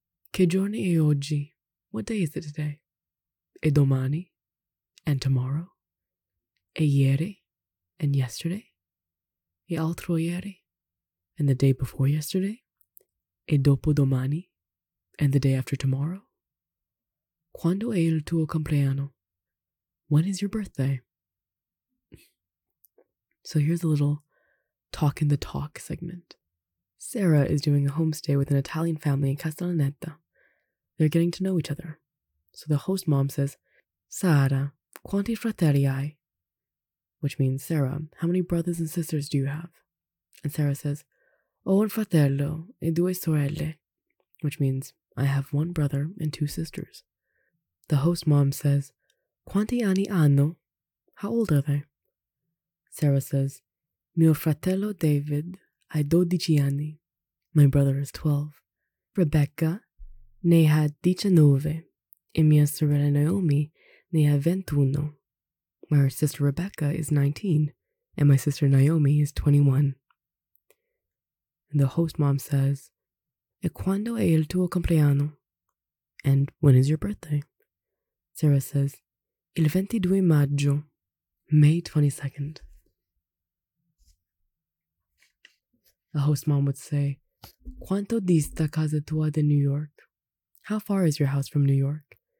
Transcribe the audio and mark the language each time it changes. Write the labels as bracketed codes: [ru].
[it] Che giorno è oggi? [en] What day is it today? [it] E domani? [en] And tomorrow? [it] E ieri? [en] And yesterday? [it] E altro ieri? [en] And the day before yesterday? [it] E dopo domani? [en] And the day after tomorrow? [it] Quando è il tuo compleanno? [en] When is your birthday? So here's a little talk in the talk segment. Sarah is doing a homestay with an Italian family in Castellaneta. They're getting to know each other. So the host mom says, Sara, [it] quanti fratelli hai? [en] Which means, Sarah, how many brothers and sisters do you have? And Sarah says, [it] ho un fratello e due sorelle, [en] which means, I have one brother and two sisters. The host mom says, [it] quanti anni hanno? [en] How old are they? Sarah says, [it] mio fratello David ha 12 anni. [en] My brother is 12. [it] Rebecca ne ha 19. E mia sorella Naomi ne ha 21. [en] My sister Rebecca is 19, and my sister Naomi is 21. And the host mom says, [it] e quando è il tuo compleanno? [en] And when is your birthday? Sarah says, [it] il 22 maggio, [en] May 22nd. The host mom would say, [it] quanto dista casa tua de New York? [en] How far is your house from New York?